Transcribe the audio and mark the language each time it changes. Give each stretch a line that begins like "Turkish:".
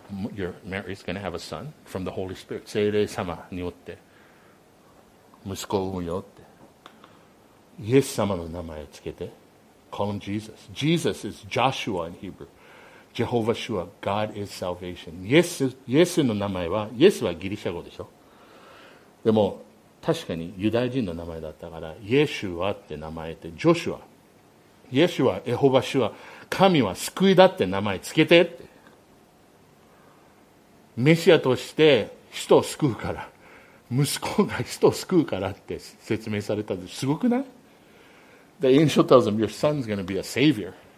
English: Your Mary is going to have a son from the Holy Spirit.
Japanese: 聖霊様によって息子を産むよって。イエス様の名前をつけて。
English: Call him Jesus. Jesus is Joshua in Hebrew. Jehovah Shua, God is salvation.
Japanese: イエスの名前は、イエスはギリシャ語でしょ。でも確かにユダヤ人の名前だったから、イエシュアって名前って、ジョシュア、イエシュア、エホバシュア、神は救いだって名前つけてって。メシアとして人を救うから、息子が人を救うからって説明されたんです。すごくない？
English: The angel tells him, your son's going to be a savior.